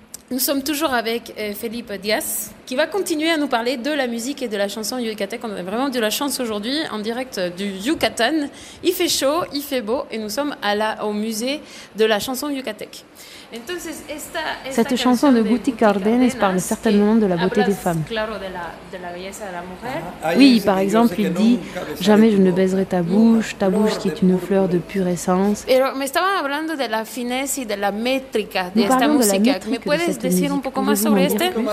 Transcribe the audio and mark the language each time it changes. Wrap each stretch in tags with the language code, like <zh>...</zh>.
<fr>Nous sommes toujours avec Felipe Díaz, qui va continuer à nous parler de la musique et de la chanson yucatèque. On a vraiment de la chance aujourd'hui, en direct du Yucatan. Il fait chaud, il fait beau, et nous sommes au musée de la chanson yucatèque. Entonces, cette chanson de Guti Cárdenas parle certainement de la beauté des femmes.</fr> <es>Claro de la belleza de la mujer.</es> <fr>Oui, par exemple, il dit « Jamais je ne baiserai ta bouche qui est une fleur de pure essence. »</fr> <es>Me estaba hablando de</es> <fr>la finesse et</fr> <es>de la métrica de esta música.</es> <fr>La métrique.</fr> <es>¿Me puedes de decir un poco más sobre este?</es>